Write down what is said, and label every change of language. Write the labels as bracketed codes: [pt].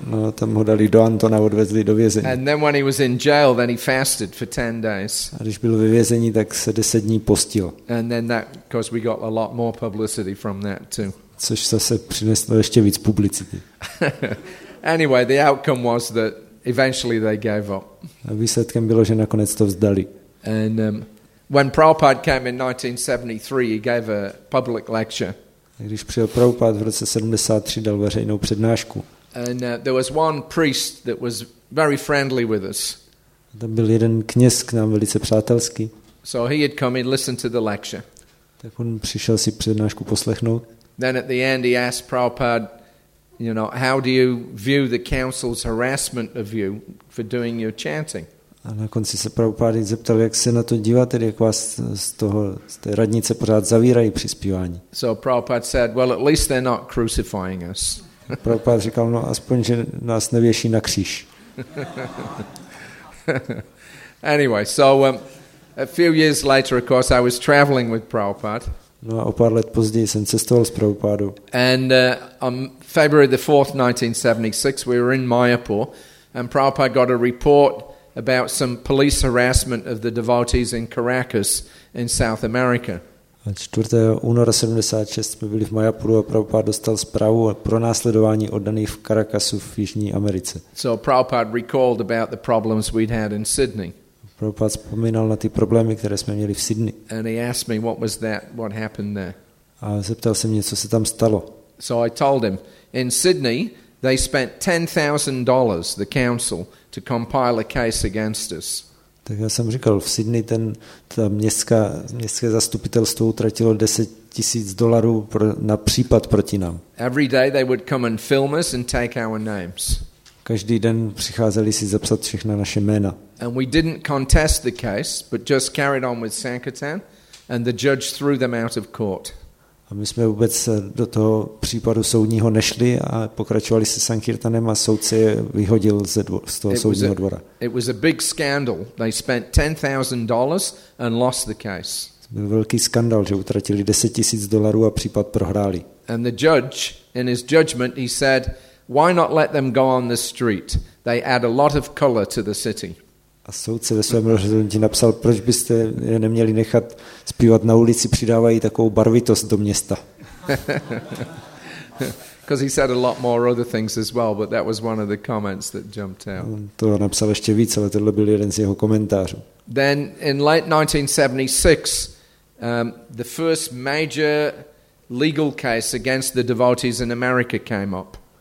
[cs] No, tam ho dali do Antona, odvezli do vězení. [en] And then when he was in jail, then he fasted for 10 days. [cs] A když byl ve vězení, tak se 10 dní postil. [en] And then that, because we got a lot more publicity from that too. [cs] Což zase přineslo ještě víc publicity. [en] Anyway, the outcome was that eventually they gave up. [cs] A výsledkem bylo, že nakonec to vzdali. [en] And when Prabhupada came in 1973, he gave a public lecture. [cs] Když přijel Prabhupád v roce 73, dal veřejnou přednášku. [en] And there was one priest that was very friendly with us. [cs] Tam byl jeden kněz k nám velice přátelský. [en] So he had come and listened to the lecture. [cs] Tak on přišel si přednášku poslechnout. [en] Then at the end he asked Prabhupád, you know, how do you view the council's harassment of you for doing your chanting? [cs] A na konci se Prabhupád zeptal, jak se na to díváte, jak vás z té radnice pořád zavírají při zpívání. [en] So Prabhupád said, well, at least they're not crucifying us. [cs] Prabhupád říkal, no aspoň, že nás nevěší na kříž. [en] Anyway, so a few years later, of course, I was traveling with Prabhupád. [cs] No a o pár let později jsem cestoval s Prabhupádou. [en] And on February the 4th, 1976, we were in Mayapur, and Prabhupád got a report about some police harassment of the devotees in Caracas in South America. [cs] 4. února 76 jsme byli v Mayapuru a Prabhupád dostal zprávu o pronásledování oddaných v Caracasu v Jižní Americe. [en] So Prabhupád recalled about the problems we'd had in Sydney. [cs] Prabhupád vzpomínal na ty problémy, které jsme měli v Sydney. [en] And he asked me what was that, what happened there. [cs] A zeptal se mě, co se tam stalo. [en] So I told him, in Sydney they spent $10,000, the council, to compile a case against us. [cs] Tak já jsem říkal, v Sydney ta městské zastupitelstvo utratilo $10,000 na případ proti nám. [en] Every day they would come and film us and take our names. [cs] Každý den přicházeli si zapsat všechna naše jména. [en] And we didn't contest the case, but just carried on with Sankirtan, and the judge threw them out of court. [cs] A my jsme vůbec do toho případu soudního nešli a pokračovali se Sankirtanem a soudce je vyhodil z toho soudního dvora. [en] It was a big scandal. They spent $10,000 and lost the case. [cs] To byl velký skandal, že utratili $10,000 a případ prohráli. [en] And the judge, in his judgment, he said, why not let them go on the street? They add a lot of color to the city. [cs] A soudce ve svém rozhodnutí napsal, proč byste je neměli nechat zpívat na ulici přidávají takovou barvitost do města. [en] Because he said a lot more other things as well, but that was one of the comments that jumped out. [cs] To napsal ještě víc, ale tohle byl jeden z jeho komentářů. [en] Then in late 1976, the first major legal case against the devotees in America came up.